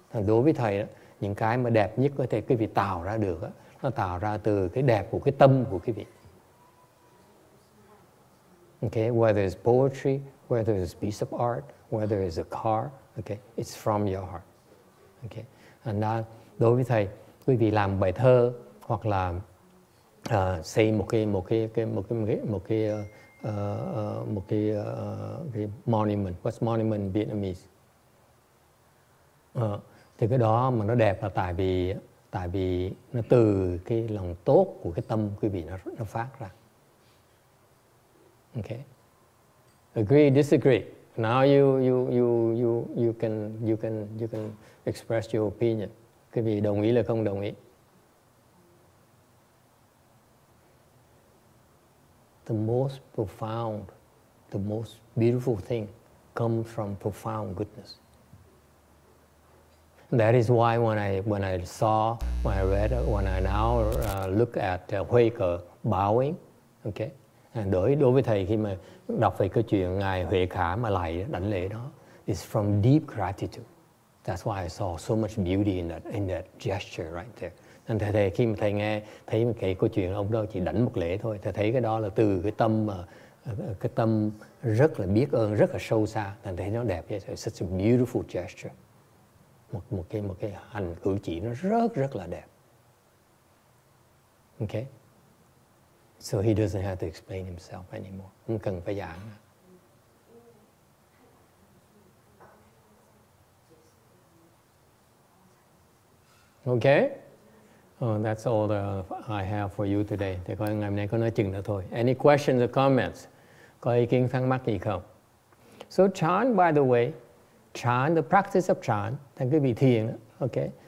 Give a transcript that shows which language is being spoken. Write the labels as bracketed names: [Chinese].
[Vietnamese] Thành đối với thầy, những cái mà đẹp nhất có thể cái vị tạo ra được, nó tạo ra từ cái đẹp của cái tâm của cái vị. [English] Okay, whether it's poetry, whether it's a piece of art, whether it's a car, okay, it's from your heart. [Vietnamese] Okay, and đối với thầy, quý vị làm bài thơ hoặc là xây một cái monument, [English] what's monument in Vietnamese? [Vietnamese] Thì cái đó mà nó đẹp là tại vì nó từ cái lòng tốt của cái tâm quý vị nó phát ra. [English] Okay. Agree, disagree. Now you can express your opinion. [Vietnamese] Quý vị đồng ý là không đồng ý? [English] The most profound, the most beautiful thing comes from profound goodness. That is why when I look at Huệ Cơ bowing, okay? [Vietnamese] And đối với thầy khi mà đọc về cái chuyện ngài Huệ Khả mà lạy đảnh lễ đó, [English] is from deep gratitude. That's why I saw so much beauty in that gesture right there. [Vietnamese] Nên thầy khi mà thầy nghe thấy một cái câu chuyện ông đó chỉ đảnh một lễ thôi, thầy thấy cái đó là từ cái tâm rất là biết ơn, rất là sâu xa, thầy thấy nó đẹp vậy. [English] It's such a beautiful gesture. [Vietnamese] Một cái hành cử chỉ nó rất rất là đẹp. [English] Okay. So he doesn't have to explain himself anymore. [Vietnamese] Không cần phải giảng. [English] Okay? That's all I have for you today. [Vietnamese] Thì coi ngày hôm nay có nói chừng đó thôi. [English] Any questions or comments? [Vietnamese] Có ý kiến thắc mắc gì không? [English] So chan, by the way, chan, the practice of chan, [Vietnamese] thành cái vị thiền, [English] okay?